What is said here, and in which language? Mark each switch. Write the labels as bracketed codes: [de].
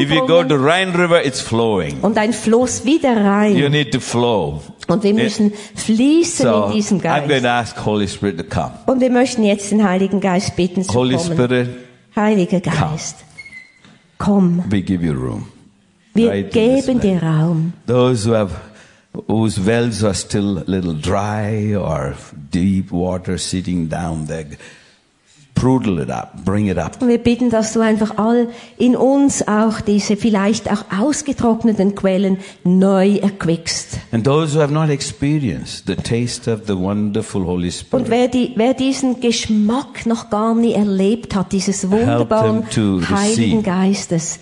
[en] If you go to the Rhine River, it's flowing. [de] Und ein Fluss wie der Rhein. [en] You need to flow. [de] Und wir müssen fließen [en] so, [de] in diesem Geist. [en] I'm going to ask Holy Spirit to come. [de] Und wir möchten jetzt den Heiligen Geist bitten zu [en] Holy [de] kommen. [en] Spirit, [de] Heiliger Geist, komm. [en] We give you room. [de] Wir right geben dir Raum. [en] Those who have, whose wells are still a little dry or deep water sitting down there, prudel it up, bring it up. [de] Wir bitten, dass du einfach all in uns auch diese vielleicht auch ausgetrockneten Quellen neu erquickst. [en] And those who have not experienced the taste of the wonderful Holy Spirit. [de] Und wer diesen Geschmack noch gar nie erlebt hat, dieses wunderbaren Heiligen Geistes,